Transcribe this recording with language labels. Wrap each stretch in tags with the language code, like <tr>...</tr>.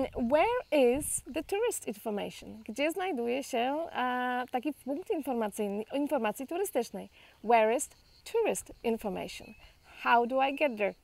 <en>Where is the tourist information?</en> <pl>Gdzie znajduje się taki punkt informacji turystycznej?</pl> <en>Where is tourist information? How do I get there?</en>